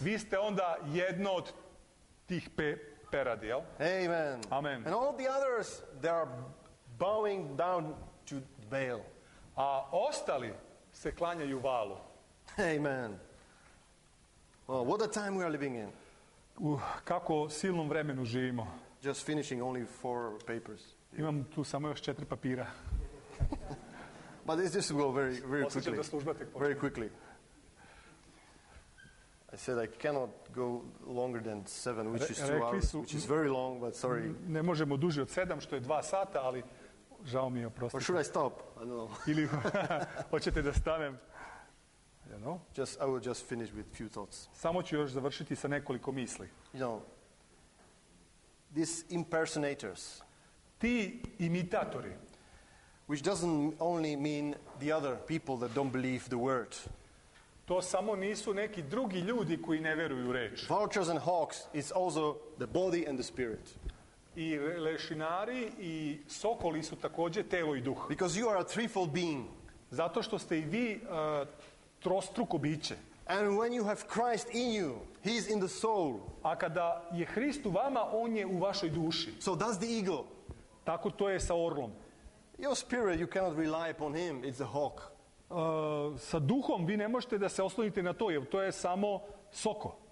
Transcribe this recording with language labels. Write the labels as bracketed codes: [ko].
[sr] Vi ste onda jedno od tih peradi, jel? Amen. [en] Amen. And all the others, they are bowing down to Baal. [sr] A ostali se klanjaju Valu. [en] Amen. Well, what a time we are living in. [sr] Kako silnom vremenu živimo. [en] Just finishing only four papers. [sr] Imam tu samo još četiri papira. [en] But this just go very, very quickly. [sr] Osjećam da služba tek počne. [en] Very quickly. I said I cannot go longer than seven, which is two hours, which is very long, but sorry. [sr] Ne možemo duže od sedam, što je dva sata, ali žao mi je, oprostite. [en] Or should I stop? I don't know. [sr] Ili hoćete da stanem? [en] You know? Just I will just finish with few thoughts. [sr] Samo ću još završiti sa nekoliko misli. [en] You know, these impersonators. [sr] Ti imitatori. [en] Which doesn't only mean the other people that don't believe the word. [sr] To samo nisu neki drugi ljudi koji ne vjeruju reč. [en] Vultures and hawks is also the body and the spirit. [sr] I lešinari i sokoli su također telo i duh. [en] Because you are a threefold being. [sr] Zato što ste i vi trostruko biće. [en] And when you have Christ in you, he is in the soul. [sr] A kada je Hrist u vama, on je u vašoj duši. [en] So does the eagle. [sr] Tako to je sa orlom. [en] Your spirit, you cannot rely upon him, it's a hawk. [sr] Sa duhom vi ne možete da se oslonite na to, jer to je samo soko.